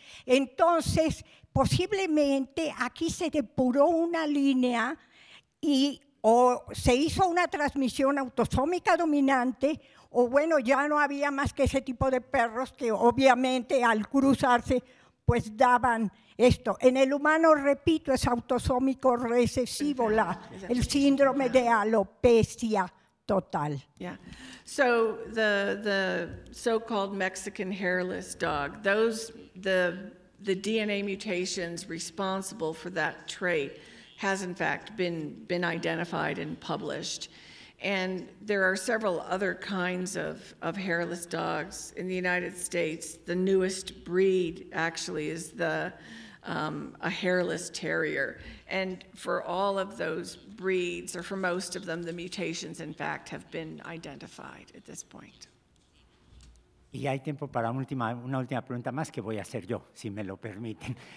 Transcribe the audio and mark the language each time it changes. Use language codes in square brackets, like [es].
[es] Entonces, posiblemente aquí se depuró una línea y o se hizo una transmisión autosómica dominante, o bueno, ya no había más que ese tipo de perros que obviamente al cruzarse, pues daban esto. En el humano, repito, es autosómico recesivo, el síndrome de alopecia total. [en] Yeah. So the so-called Mexican hairless dog, those the DNA mutations responsible for that trait has in fact been identified and published. And there are several other kinds of hairless dogs in the United States. The newest breed actually is the a hairless terrier. And for all of those breeds, or for most of them, the mutations in fact have been identified at this point. [es] Y hay tiempo para una última pregunta más que voy a hacer yo, si me lo permiten.